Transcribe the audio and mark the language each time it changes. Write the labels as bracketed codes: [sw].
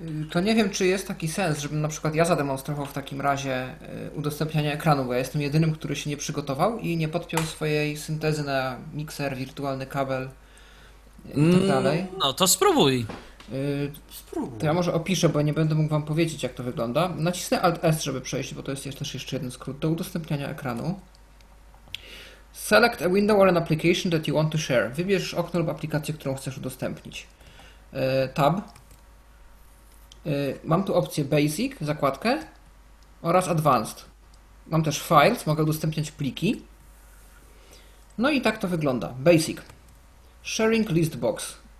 [pl] To nie wiem, czy jest taki sens, żebym na przykład ja zademonstrował w takim razie udostępnianie ekranu, bo ja jestem jedynym, który się nie przygotował i nie podpiął swojej syntezy na mikser, wirtualny kabel. tak dalej. No to spróbuj. Spróbuj. To ja może opiszę, bo nie będę mógł wam powiedzieć, jak to wygląda. Nacisnę Alt S, żeby przejść, bo to jest też jeszcze jeden skrót do udostępniania ekranu. [en] Select a window or an application that you want to share. [pl] Wybierz okno lub aplikację, którą chcesz udostępnić. Tab. Mam tu opcję Basic, zakładkę, oraz Advanced. Mam też Files, mogę udostępniać pliki. No i tak to wygląda. Basic. [en] Sharing list box.